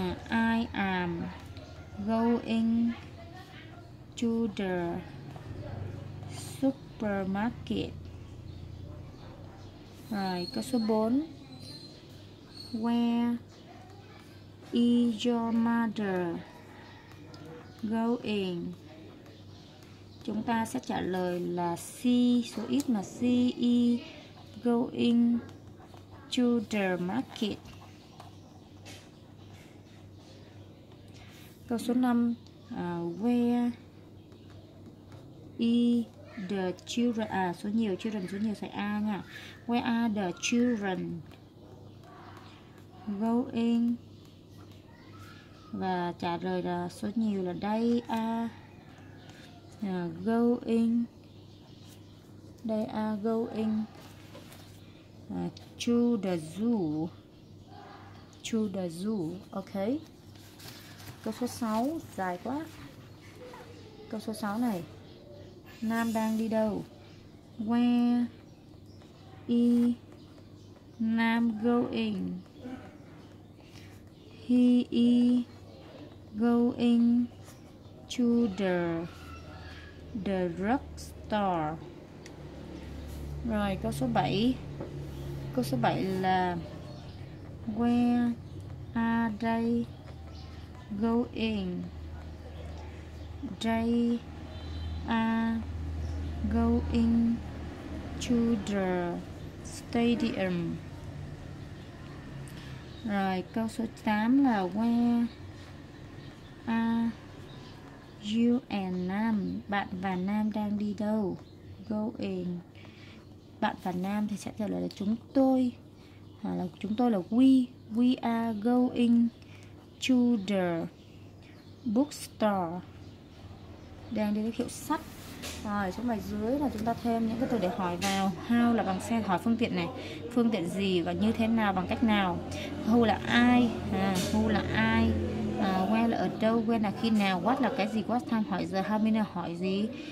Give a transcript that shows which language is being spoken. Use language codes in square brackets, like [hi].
[en] I am going to the supermarket. [vi] Rồi, câu số 4. [en] Where is your mother going? [vi] Chúng ta sẽ trả lời là C, số ít mà C, E, [en] going to the market. [vi] Câu số 5. [en] Where is the children? [vi] Số nhiều, children, số nhiều sẽ A nha. [en] Where are the children going? [vi] Và trả lời là số nhiều là [en] they are going. They are going to the zoo. To the zoo. Ok. [vi] Câu số 6 dài quá. Câu số 6 này. Nam đang đi đâu? [en] Where is Nam going? He is going to the drugstore. [vi] Rồi, câu số 7. Câu số 7 là [en] where are they going? They are going to the stadium. [vi] Rồi, câu số 8 là [en] where are you and Nam? [vi] Bạn và Nam đang đi đâu? Going. Bạn và Nam thì sẽ trả lời là chúng tôi. Là chúng tôi là we. [en] We are going to the bookstore. [vi] Đang đi đến hiệu sách. Rồi, trong bài dưới là chúng ta thêm những cái từ để hỏi vào. How là bằng xe, hỏi phương tiện này. Phương tiện gì và như thế nào, bằng cách nào. Who là ai. Who là ai. Where là ở đâu, where là khi nào. What là cái gì, what time, hỏi giờ. How many là hỏi gì.